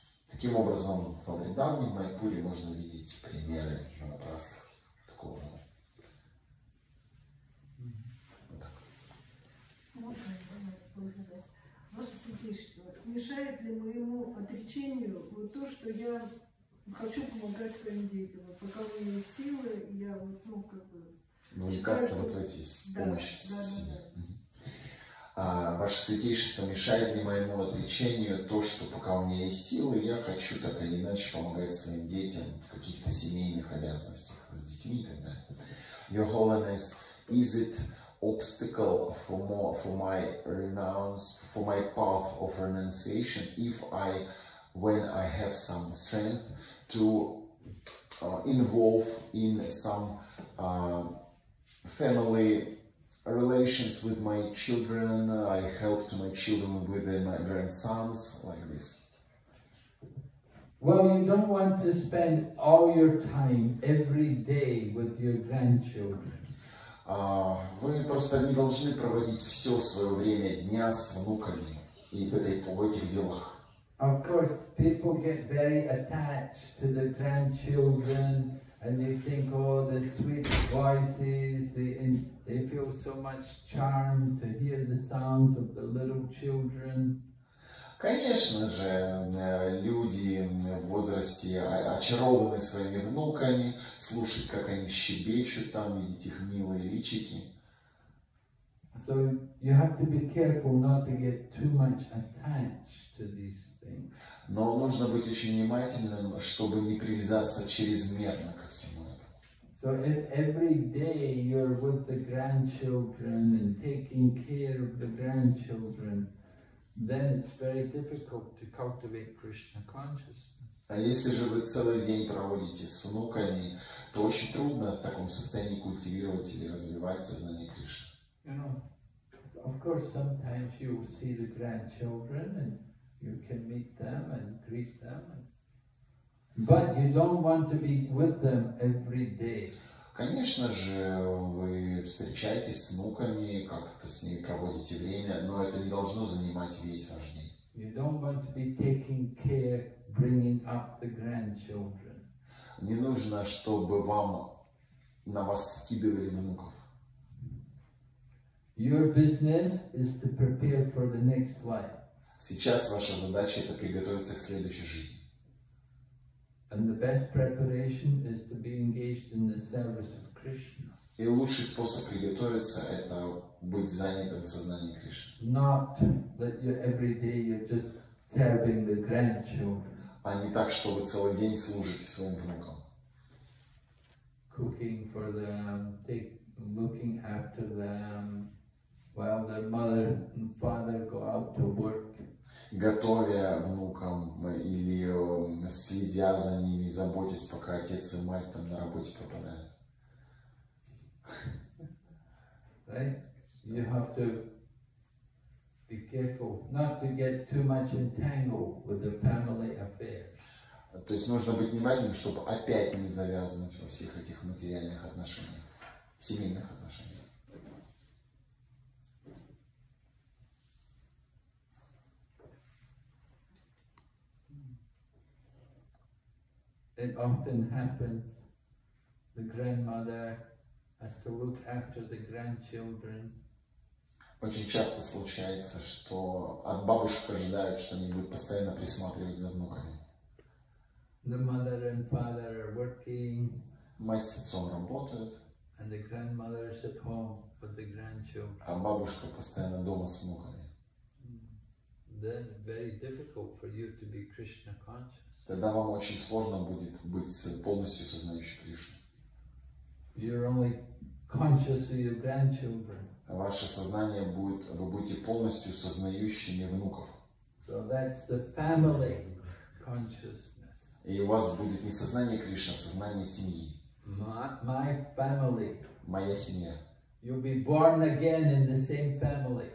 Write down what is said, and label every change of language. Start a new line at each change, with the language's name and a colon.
Russian: Таким образом, в Вриндаване, в Майпуре можно видеть примеры ванапрастха такого. Ваше святейшество, мешает ли моему отречению вот то, что я хочу помогать своим детям? Пока у меня есть силы, я вот, ну, как бы... Ну, вникаться вот в эти, с помощью себя. Ваше святейшество, мешает ли моему отречению то, что пока у меня есть силы, я хочу так или иначе помогать своим детям в каких-то семейных обязанностях с детьми и так далее.
English: Your Holiness, is it obstacle for my path of renunciation when I have some strength to involve in some family relations with my children? I help to my children with my grandsons like this. Well, you don't want to spend all your time every day with your grandchildren.
Russian: Вы просто не должны проводить все свое время дня с внуками и в этих делах.
English: Of course, people get very attached to the grandchildren, and they think, oh, the sweet voices, they feel so much charm to hear the sounds of the little children.
Russian: Конечно же, люди в возрасте очарованы своими внуками, слушают, как они щебечут там, видеть их милые личики.
English: So you have to be careful not to get too much attached to these things.
Russian: Но нужно быть очень внимательным, чтобы не привязаться чрезмерно ко всему этому.
English: So if every day you're with the grandchildren and taking care of the grandchildren, then it's very difficult to cultivate Krishna consciousness.
Russian: А если же вы целый день проводите с внуками, то очень трудно в таком состоянии культивировать или развивать сознание Кришны.
English: You know, of course, sometimes you will see the grandchildren and you can meet them and greet them. But you don't want to be with them every day.
Russian: Конечно же, вы встречаетесь с внуками, как-то с ними проводите время, но это не должно занимать весь ваш день.
English: You don't want to be taking care, bringing up the grandchildren.
Russian: Не нужно, чтобы вам на вас скидывали внуков.
English: Your business is to prepare for the next life.
Russian: Сейчас ваша задача — это приготовиться к следующей жизни.
English: And the best preparation is to be engaged in the service of Krishna.
Russian: И лучший способ приготовиться — это быть занятым в сознании Кришны.
English: Not that you every day you're just serving the grandchildren.
Russian: А не так, что вы целый день служите своим внукам.
English: Cooking for them, looking after them, while their mother and father go out to work.
Russian: Готовя внукам или следя за ними, заботясь, пока отец и мать там на работе пропадают.
English: Right? You have to be careful not to get too much entangled with the family affairs.
Russian: То есть нужно быть внимательным, чтобы опять не завязывать во всех этих материальных отношениях, семейных отношениях.
English: It often happens the grandmother has to look after the grandchildren.
Russian: Очень часто случается, что от бабушек ожидают, что они будут постоянно присматривать за внуками.
English: The mother and father are working.
Russian: Мать с отцом работают.
English: And the grandmother is at home with the grandchildren.
Russian: А бабушка постоянно дома с внуками.
English: Then very difficult for you to be Krishna conscious.
Russian: Тогда вам очень сложно будет быть полностью сознающим Кришну.
English: You're only conscious of your grandchildren.
Russian: Ваше сознание будет, вы будете полностью сознающими внуков.
English: So that's the family consciousness.
Russian: И у вас будет не сознание Кришны, а сознание семьи.
English: My family.
Russian: Моя семья.
English: You'll be born again in the same family.